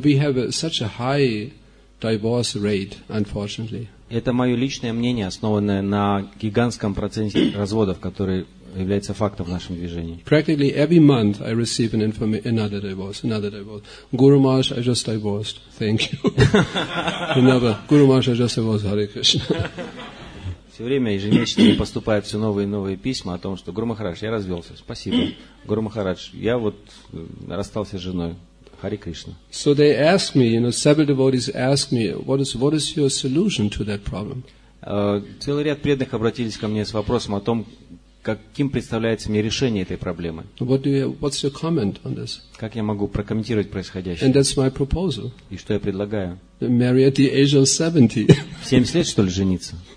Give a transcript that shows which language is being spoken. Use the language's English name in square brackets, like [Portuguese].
[English] You know, we have such a high divorce rate, unfortunately. [Russian] Это мое личное мнение, основанное на гигантском проценте разводов, который является фактом в нашем движении. [English] Practically every month I receive an another divorce. Guru Maharaj, I just divorced. Thank you. Another. Guru Maharaj, I just divorced. Hare Krishna. [Russian] Все время ежемесячно поступают все новые и новые письма о том, что Гуру Махарадж, я развелся. Спасибо. Гуру Махарадж, я вот расстался с женой. [English] Hare Krishna. So they ask me, you know, several devotees ask me, what is your solution to that problem? [Russian] Целый ряд преданных обратились ко мне с вопросом о том, каким представляется мне решение этой проблемы. [English] What's your comment on this? [Russian] Как я могу прокомментировать происходящее? [English] And that's my proposal. [Russian] И что я предлагаю? [English] Marry at the age of 70. [Russian] 70 лет, что ли, жениться?